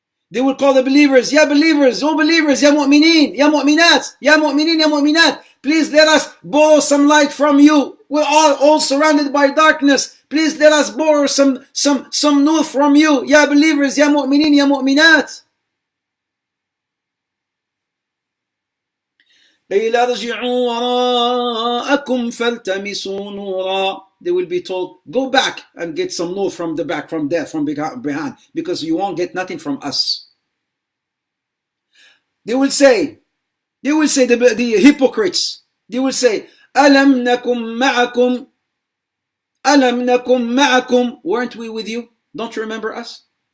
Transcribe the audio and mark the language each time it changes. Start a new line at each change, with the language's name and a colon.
English: They will call the believers,
Arabic: يا
English: believers, oh believers,
Arabic: يا مؤمنين, يا مؤمنات, يا مؤمنين, يا مؤمنات.
English: Please let us borrow some light from you. We are all surrounded by darkness. Please let us borrow some nur from you.
Arabic: يا
English: believers,
Arabic: يا مؤمنين, يا مؤمنات. قيل ارجعوا وراءكم فالتمسوا نورا.
English: They will be told, go back and get some nur from the back, from there, from behind, because you won't get nothing from us. They will say, the hypocrites, They will say,
Arabic: Alam nakum ma'akum? Alam nakum ma'akum?
English: Weren't we with you? Don't you remember us?